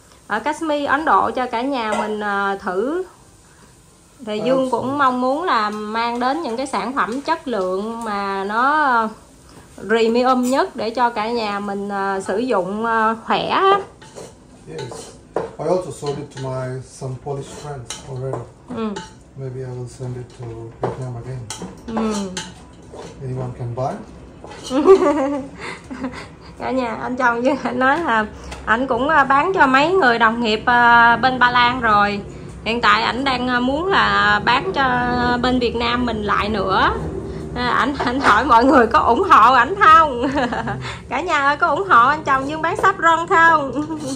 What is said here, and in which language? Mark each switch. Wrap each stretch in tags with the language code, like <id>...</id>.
<vi>Ở Kashmir, Ấn Độ cho cả nhà mình thử. Thì Dương cũng mong muốn là mang đến những cái sản phẩm chất lượng mà nó premium nhất để cho cả nhà mình sử dụng khỏe.</vi> <en>Yes, I also sold it to my some Polish friends already. Maybe I will send it to Vietnam again. Anyone can buy.</en> <vi>Cả nhà, anh chồng như anh nói là anh cũng bán cho mấy người đồng nghiệp bên Ba Lan rồi. Hiện tại anh đang muốn là bán cho bên Việt Nam mình lại nữa. Anh hỏi mọi người có ủng hộ ảnh không? Cả nhà ơi, có ủng hộ anh chồng Dương bán saffron không?</vi>